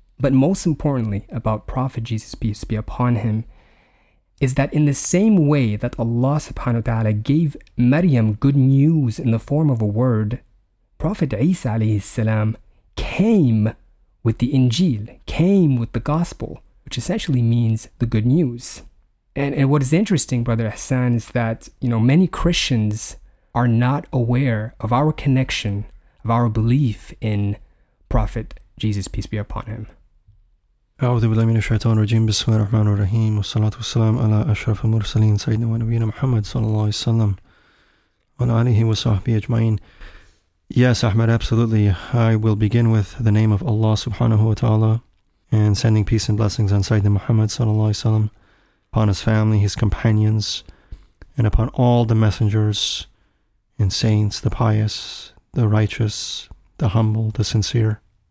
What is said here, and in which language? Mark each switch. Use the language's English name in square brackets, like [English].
[English] But most importantly about Prophet Jesus, peace be upon him, is that in the same way that Allah subhanahu wa ta'ala gave Maryam good news in the form of a word, Prophet Isa alayhi salam came with the Injil, came with the gospel, which essentially means the good news. And what is interesting, Brother Ehsan, is that, you know, many Christians are not aware of our connection of our belief in Prophet Jesus, peace be upon him. [Arabic] أعوذ بالله من الشيطان الرجيم بسم الله الرحمن الرحيم والصلاة والسلام على أشرف المرسلين سيدنا ونبينا محمد صلى الله عليه وسلم وعلى آله وصحبه أجمعين. [English] Yes, Ahmed, absolutely. I will begin with the name of Allah subhanahu wa ta'ala and sending peace and blessings on Sayyidina Muhammad sallallahu alayhi wa sallam, upon his family, his companions, and upon all the messengers and saints, the pious, the righteous, the humble, the sincere.